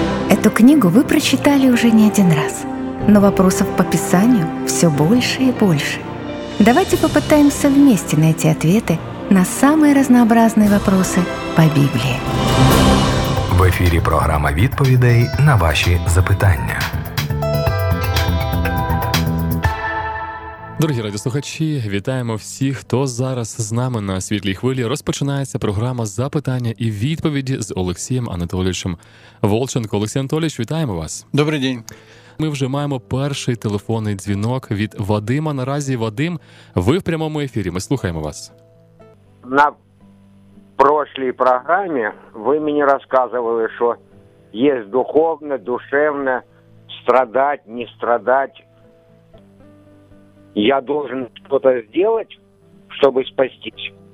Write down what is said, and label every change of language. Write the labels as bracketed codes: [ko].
[ru] Эту книгу вы прочитали уже не один раз, но вопросов по Писанию все больше и больше. Давайте попытаемся вместе найти ответы на самые разнообразные вопросы по Библии. В эфире программа «Відповідей» на ваши запитання. [uk] Дорогі радіослухачі, вітаємо всіх, хто зараз з нами на світлій хвилі. Розпочинається програма «Запитання і відповіді» з Олексієм Анатолійовичем Волченко. Олексій Анатолійович, вітаємо вас. Добрий день. Ми вже маємо перший телефонний дзвінок від Вадима. Наразі, Вадим, ви в прямому ефірі, ми слухаємо вас. На прошлій програмі ви мені розказували, що є духовне, душевне, [ru] страдать, не страдать. Я должен что-то сделать, чтобы спастись?